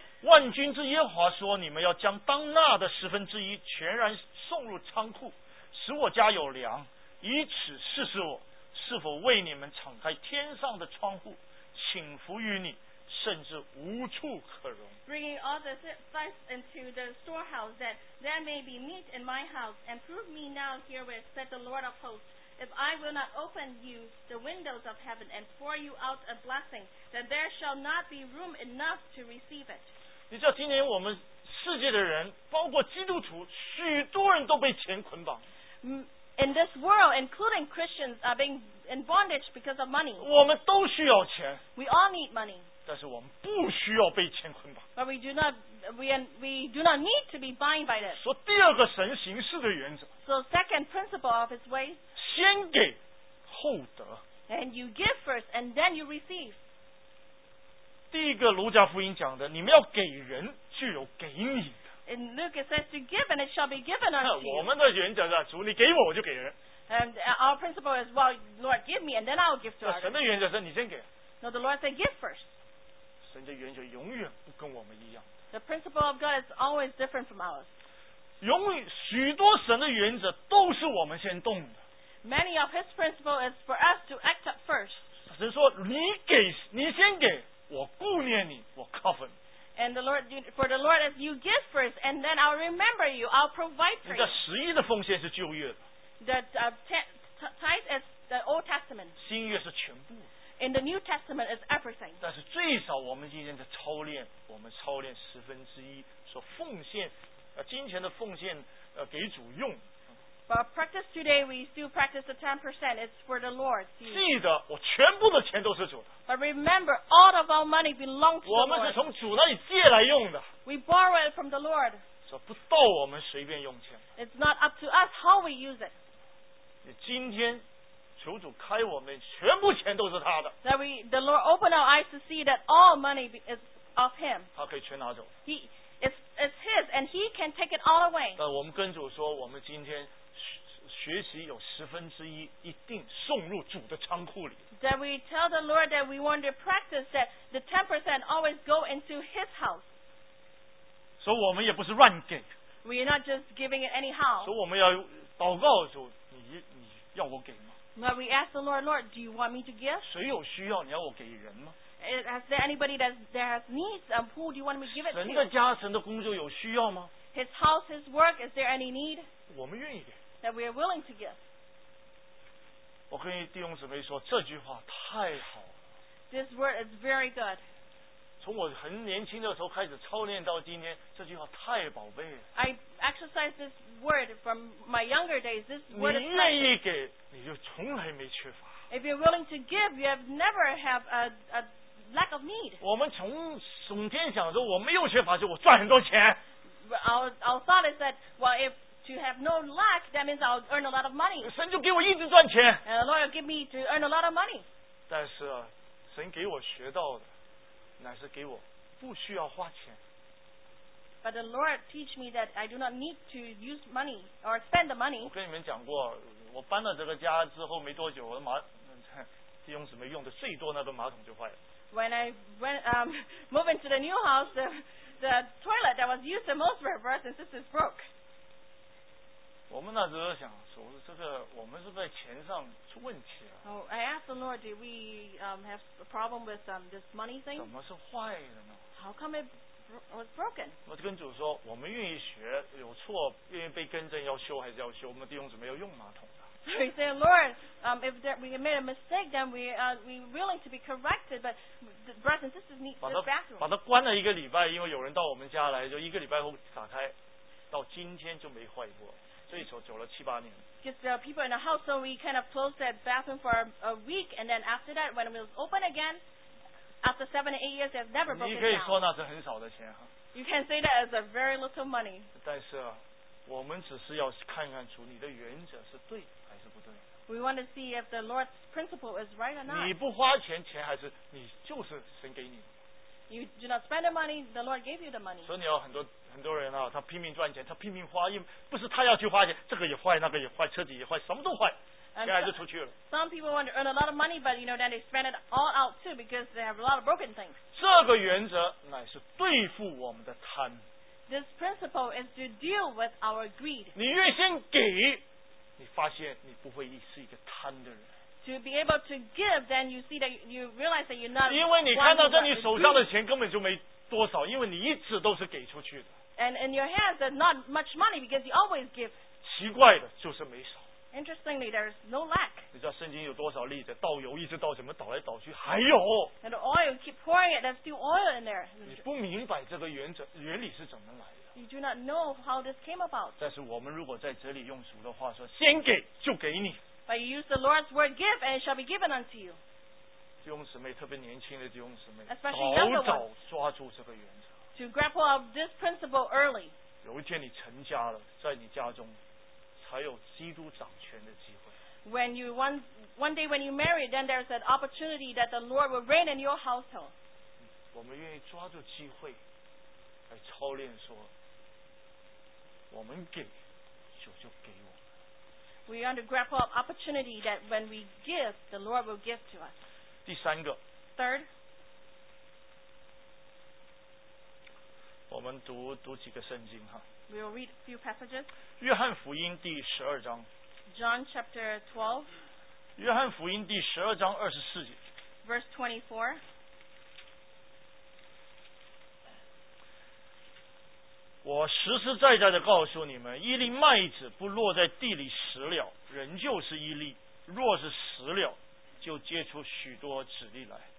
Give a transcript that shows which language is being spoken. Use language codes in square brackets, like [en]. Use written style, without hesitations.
[zh] 万军之耶和华说，你们要将当纳的十分之一全然送入仓库，使我家有粮，以此试试我是否为你们敞开天上的窗户，倾覆于你，甚至无处可容。 [en] Bringing all the things into the storehouse, that there may be meat in my house, and prove me now herewith, said the Lord of hosts, if I will not open you the windows of heaven and pour you out a blessing, that there shall not be room enough to receive it. [zh] 你知道今年我们世界的人，包括基督徒，许多人都被钱捆绑。 [en] In this world, including Christians, are being in bondage because of money. [zh] 我们都需要钱。 [en] We all need money. [zh] 但是我们不需要被钱捆绑。 [en] But we do not need to be bound by this. [zh] 说第二个神行事的原则。 [en] So second principle of His ways. [zh] 先给，后得。 [en] And you give first, and then you receive. [zh] 第一个卢加福音讲的，你们要给人就有给你的。 [en] In Luke it says to give and it shall be given unto you. [zh] 我们的原则是，主你给我，我就给人。 [en] And our principle is, well, Lord, give me and then I'll give to others. [zh] 神的原则是你先给。 [en] No, the Lord said give first. [zh] 神的原则永远不跟我们一样。 [en] The principle of God is always different from ours. [zh] 永远许多神的原则都是我们先动的。 [en] Many of His principle is for us to act up first. [zh] 神说你给，你先给。我顾念你，我 cover 你。 [en] And the Lord, for the Lord, if you give first, and then I'll remember you, I'll provide for you. [zh] 你的十一的奉献是旧约的。 [en] The tithe is the Old Testament. [zh] 新约是全部。 [en] In the New Testament is everything. [zh] 但是最少我们今天在操练，我们操练十分之一，说奉献，金钱的奉献，给主用。 [en] But practice today, we still practice the 10%. It's for the Lord. [zh] 记得，我全部的钱都是主的。 [en] But remember, all of our money belongs to the Lord. [zh] 我们是从主那里借来用的。 [en] We borrow it from the Lord. [zh] 说不到我们随便用钱。 [en] It's not up to us how we use it. [zh] 你今天求主开我们，全部钱都是他的。 [en] That we, the Lord open our eyes to see that all money is of Him. [zh] 他可以全拿走。 [en] It's His, and He can take it all away. [zh] 但我们跟主说，我们今天学习有十分之一一定送入主的仓库里。 [en] That we tell the Lord that we want to practice that the 10% always go into His house. [zh] 所以我们也不是乱给。 [en] We are not just giving it anyhow. [zh] 所以我们要祷告主，你要我给吗？ [en] But we ask the Lord, Lord, do you want me to give? [zh] 谁有需要，你要我给人吗？ [en] Is there anybody that there has needs? Who do you want me to give it to? [zh] 神的家，神的工作有需要吗？ [en] His house, His work, is there any need? [zh] 我们愿意给。 [en] That we are willing to give. [zh] 我跟弟兄姊妹说，这句话太好了。 [en] This word is very good. [zh] 从我很年轻的时候开始操练到今天，这句话太宝贝了。 [en] I exercise this word from my younger days. This word is. [zh] 你愿意给，你就从来没缺乏。 [en] If you're willing to give, you have never have a lack of need. [zh] 我们从整天想着我没有缺乏，就我赚很多钱。 [en] Our thought is that, well, if. To have no lack, that means I'll earn a lot of money. [zh] 神就给我一直赚钱。 [en] And the Lord will give me to earn a lot of money. [zh] 但是，神给我学到的，乃是给我不需要花钱。 [en] But the Lord teach me that I do not need to use money or spend the money. [zh] 我跟你们讲过，我搬到这个家之后没多久，我的马弟兄姊妹用的最多那个马桶就坏了。 [en] When I went moving to the new house, the toilet that was used the most for brothers and sisters broke. [zh] 我们那时候想说，这个我们是在钱上出问题了。 [en] Oh, I asked the Lord, did we have a problem with this money thing? [zh] 怎么是坏的呢？ [en] How come it was broken? [zh] 我跟主说，我们愿意学，有错愿意被更正，要修还是要修？我们弟兄姊妹要用马桶的。 [en] So he said, Lord, if there, we made a mistake, then we willing to be corrected, but the brothers and sisters need the bathroom. [zh] 把它关了一个礼拜，因为有人到我们家来，就一个礼拜后打开，到今天就没坏过。所以说走了七八年。 [en] Because the people in the house, so we kind of closed that bathroom for a week, and then after that, when it was open again, after 7 or 8 years, it's never broken down. [zh] 你可以说那是很少的钱哈。 [en] You can say that is a very little money. [zh] 但是我们只是要看看主你的原则是对还是不对。 [en] We want to see if the Lord's principle is right or not. [zh] 你不花钱，钱还是你就是神给你。 [en] You do not spend the money, the Lord gave you the money. [zh] 所以你有很多很多人啊，他拼命赚钱，他拼命花，因不是他要去花钱，这个也坏，那个也坏，车子也坏，什么都坏。 [en] Some people want to earn a lot of money, but you know, then they spend it all out too because they have a lot of broken things. [zh] 这个原则乃是对付我们的贪。 [en] This principle is to deal with our greed. [zh] 你越先给，你发现你不会是一个贪的人。 [en] To be able to give, then you see that you realize that you're not. [zh] 因为你看到在你手上的钱根本就没多少，因为你一直都是给出去的。 [en] And in your hands, there's not much money because you always give. [zh] 奇怪的就是没少。 [en] Interestingly, there is no lack. [zh] 你知道圣经有多少例子？倒油一直倒，怎么倒来倒去还有 [en] ？And oil keep pouring it. There's still oil in there. [zh] 你不明白这个原则原理是怎么来的 [en] ？You do not know how this came about. [zh] 但是我们如果在这里用主的话说，先给就给你。 [en] But you use the Lord's word, give, and it shall be given unto you. [zh] 弟兄姊妹，特别年轻的弟兄姊妹， [en] Especially younger ones, [zh] 早早抓住这个原则。 [en] To grapple of this principle early. [zh] 有一天你成家了，在你家中。才有基督掌权的机会。 [en] When you one day when you marry, then there's an opportunity that the Lord will reign in your household. [zh] 我们愿意抓住机会，来操练说，我们给，主就给我们。 [en] We want to grab up opportunity that when we give, the Lord will give to us. [zh] 第三个。 [en] Third. [zh] 我们读几个圣经哈。 [en] We will read a few passages. [zh] 约翰福音第十二章。 [en] John chapter 12. [zh] 约翰福音第十二章二十四节。 [en] Verse 24. [zh] 我实实在在的告诉你们，一粒麦子不落在地里死了，仍旧是一粒；若是死了，就结出许多子粒来。